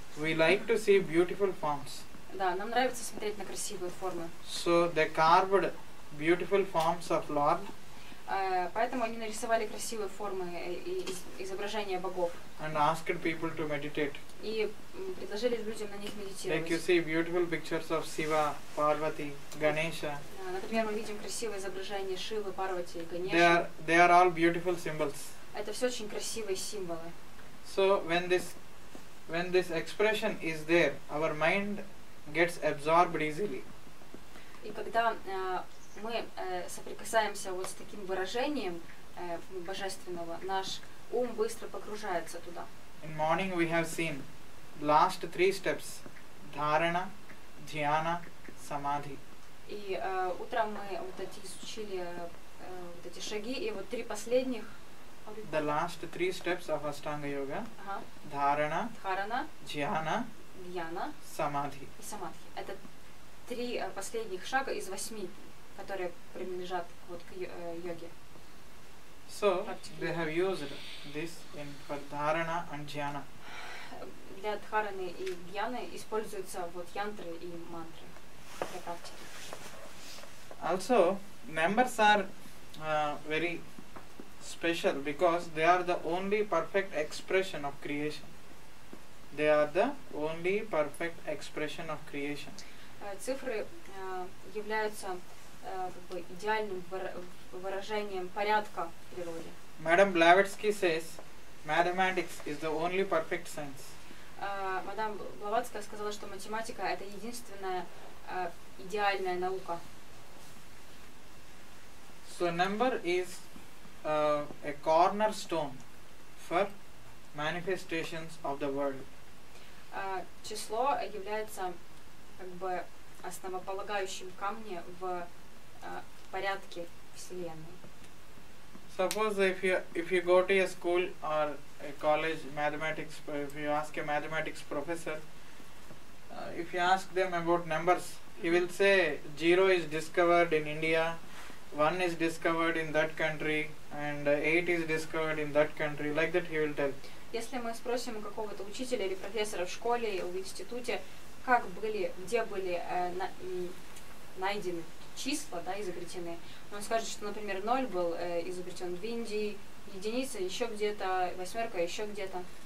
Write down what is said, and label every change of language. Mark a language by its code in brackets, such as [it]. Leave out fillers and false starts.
[en] We like to see beautiful forms. [ru] Да, нам нравится смотреть на красивые формы. [en] So they carved beautiful forms of Lord. [ru] Поэтому они нарисовали красивые формы и изображения богов. [en] And asked people to meditate. [ru] И предложили людям на них медитировать. [en] Like you see beautiful pictures of Shiva, Parvati, Ganesha. [ru] Например, мы видим красивые изображения Шивы, Парвати и Ганеши. [en] They are all beautiful symbols. [ru] Это все очень красивые символы. [en] So when this expression is there, our mind gets absorbed easily. [ru] И когда мы соприкасаемся вот с таким выражением божественного, наш ум быстро погружается туда. [en] In morning we have seen last three steps: dharana, dhyana, samadhi. [ru] И утром мы вот эти изучили вот эти шаги и вот три последних. [en] The last three steps of Ashtanga Yoga: dharana, dhyana, samadhi. [ru] И самадхи. Это три последних шага из восьми, которые принадлежат вот к йоге. [en] So they have used this in for dharana and dhyana. [ru] Для дхараны и дьяны используются вот янтры и мантры для практики. [en] Also, members are very special because they are the only perfect expression of creation. They are the only perfect expression of creation. [ru] Цифры являются идеальным выражением порядка в природе. [en] Madame Blavatsky says, mathematics is the only perfect science. [ru] Мадам Блаватская сказала, что математика это единственная идеальная наука. [en] So number is a cornerstone for manifestations of the world. [ru] Число является как бы основополагающим камнем в порядке Вселенной. [en] Suppose if you go to a school or a college mathematics, if you ask a mathematics professor, if you ask them about numbers, he will say zero is discovered in India, one is discovered in that country and eight is discovered in that country, like that he will tell. [ru] Если мы спросим какого-то учителя или профессора в школе или в институте, как были, где были найдены числа, да, изобретены, он скажет, что, например, ноль был изобретен в Индии, единица еще где-то, восьмерка еще где-то.